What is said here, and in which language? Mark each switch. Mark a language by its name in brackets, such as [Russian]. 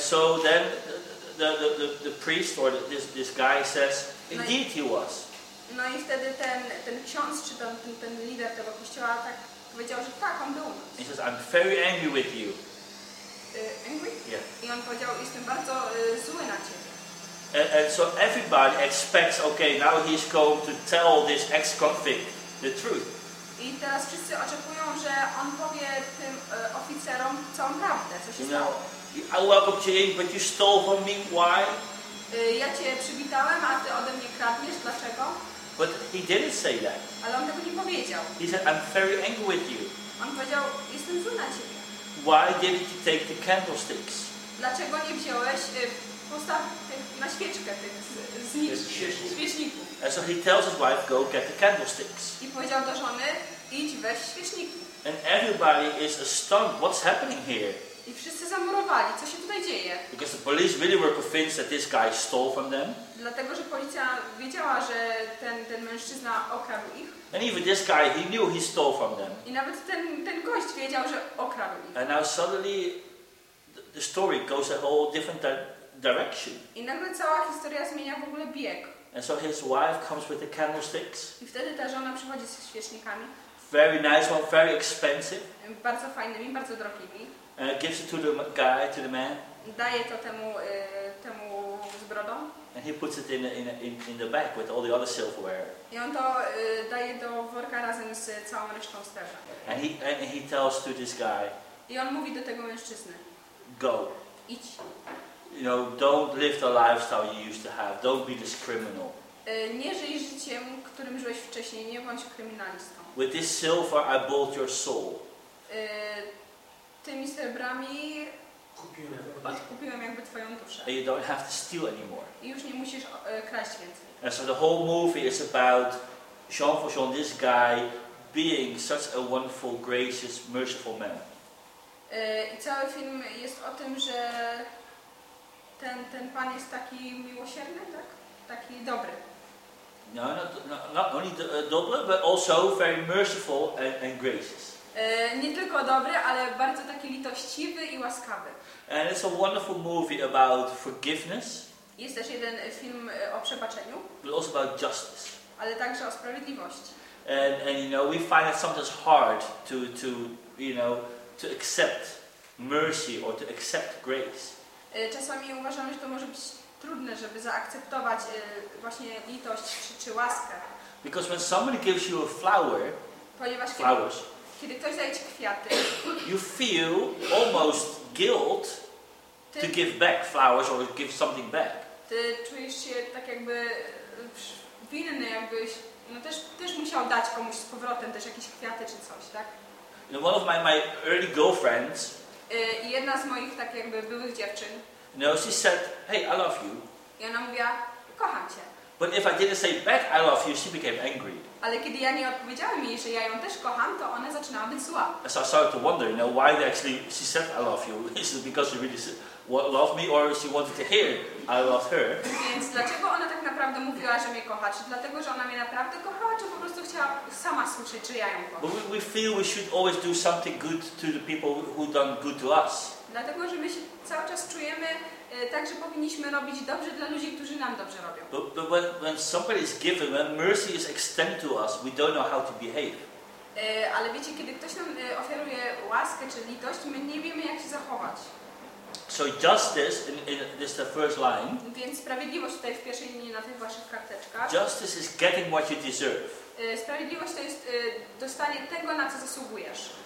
[English] So then the priest or this guy says, indeed he was. [Polish] No i wtedy ten ksiądz, czy ten lider tego kościoła tak powiedział, że tak, on był. [English] He says, I'm very angry with you. Angry? Yeah. [Polish] I on powiedział, jestem bardzo zły na ciebie. [English] And so everybody expects, okay, now he's going to tell this ex-convict the truth. [Polish] I teraz wszyscy oczekują, że on powie tym oficerom całą prawdę, co się stało. [English] I welcome to you, but you stole from me. Why? [Polish] Ja cię przywitałem, a ty ode mnie kradniesz. Dlaczego? [English] But he didn't say that. [Polish] Ale on tego nie powiedział. [English] He said, I'm very angry with you. [Polish] On powiedział, jestem zły na ciebie. [English] Why didn't you take the candlesticks? [Polish] Dlaczego nie wziąłeś postaw na świeczkę tych świeczników? [English] And so he tells his wife, go get the candlesticks. [Polish] I powiedział do żony, idź weź świeczniki. [English] And everybody is astonished. What's happening here? [Polish] I wszyscy zamurowali. Co się tutaj dzieje? [English] Because the police really were convinced that this guy stole from them. [Polish] Dlatego, że policja wiedziała, że ten mężczyzna okradł ich. [English] And even this guy, he knew he stole from them. [Polish] I nawet ten gość wiedział, że okradł ich. [English] And now suddenly the story goes a whole different direction. [Polish] I nagle cała historia zmienia w ogóle bieg. [English] And so his wife comes with the candlesticks. [Polish] I wtedy ta żona przychodzi ze świecznikami. [English] Very nice one, very expensive. [Polish] Bardzo fajnymi, bardzo drogimi. [English] Gives it to the guy, to the man. [Polish] Daje to temu z brodą. [English] And he puts it in the bag with all the other silverware. [Polish] I on to daje do worka razem z całą resztą srebra. [English] And he tells to this guy. [Polish] I on mówi do tego mężczyzny. [English] Go. [Polish] Idź. [English] You know, don't live the lifestyle you used to have. Don't be this criminal. [Polish] Nie żyj życiem, którym żyłeś wcześniej. Nie bądź kryminalistą. [English] With this silver, I bought your soul. [Polish] Tymi srebrami kupiłem jakby twoją duszę. [English] And you don't have to steal anymore. [Polish] I już nie musisz kraść więcej. [English] And so the whole movie is about Jean Valjean, this guy, being such a wonderful, gracious, merciful man. [Polish] I cały film jest o tym, że ten pan jest taki miłosierny, tak? Taki dobry. [English] No, not only [Polish] dobry, [English] but also very merciful and gracious. [Polish] Nie tylko dobry, ale bardzo taki litościwy i łaskawy. [English] And it's a wonderful movie about forgiveness. [Polish] Jest też jeden film o przebaczeniu. [English] But also about justice. [Polish] Ale także o sprawiedliwości. [English] And you know, we find it sometimes hard to you know, to accept mercy or to accept grace. [Polish] Czasami uważamy, że to może być trudne, żeby zaakceptować właśnie litość czy łaskę. [English] Because when somebody gives you a flower, flowers. [Polish] Kiedy ktoś daje ci kwiaty, [English] you feel almost guilt to give back flowers or give something back. [Polish] Ty czujesz się tak jakby winny, jakbyś no też musiał dać komuś z powrotem też jakieś kwiaty czy coś, tak? [English] You know, one of my early girlfriends. [Polish] Jedna z moich tak jakby byłych dziewczyn. [English] No, she said, hey, I love you. [Polish] I ona mówiła, kocham cię. [English] But if I didn't say back, I love you, she became angry. [Polish] Ale kiedy ja nie odpowiedziałem jej, że ja ją też kocham, to ona zaczynała być zła. [English] So I started to wonder, you know, why they actually she said I love you. Is it because she really said, love me, or she wanted to hear I love her? [Polish] Więc dlaczego ona tak naprawdę mówiła, że mnie kocha? Czy dlatego, że ona mnie naprawdę kochała, czy po prostu chciała sama słyszeć, czy ja ją kocham? [English] But we feel we should always do something good to the people who done good to us. [Polish] Dlatego, że my się cały czas czujemy tak, że powinniśmy robić dobrze dla ludzi, którzy nam dobrze robią. [English] But when somebody is given, when mercy is extended to us, we don't know how to behave. [Polish] Ale wiecie, kiedy ktoś nam ofiaruje łaskę czy litość, my nie wiemy, jak się zachować. [English] So justice, in this is the first line. [Polish] Więc sprawiedliwość tutaj w pierwszej linii na tych waszych karteczkach. [English] Justice is getting what you deserve. [Polish] Sprawiedliwość to jest dostanie tego, na co zasługujesz.